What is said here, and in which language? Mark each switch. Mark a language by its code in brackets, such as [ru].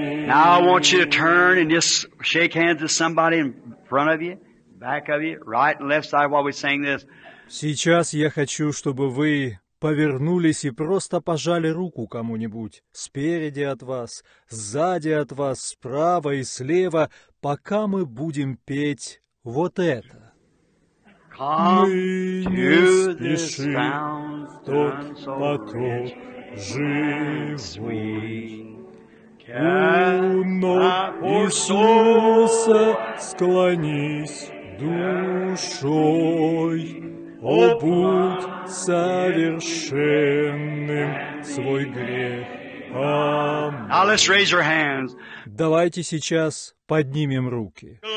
[en] I want you to turn and just shake hands with somebody in front of you, back of you, right and left side while we're saying this. [ru] Сейчас я хочу, чтобы вы повернулись и просто пожали руку кому-нибудь. Спереди от вас, сзади от вас, справа и слева, пока мы будем петь вот это. [en] come [ru] не спеши, тот поток живой. У ног Иисуса склонись душой, о, будь совершенным свой грех. [en] Now let's raise your hands. [ru] Давайте сейчас поднимем руки.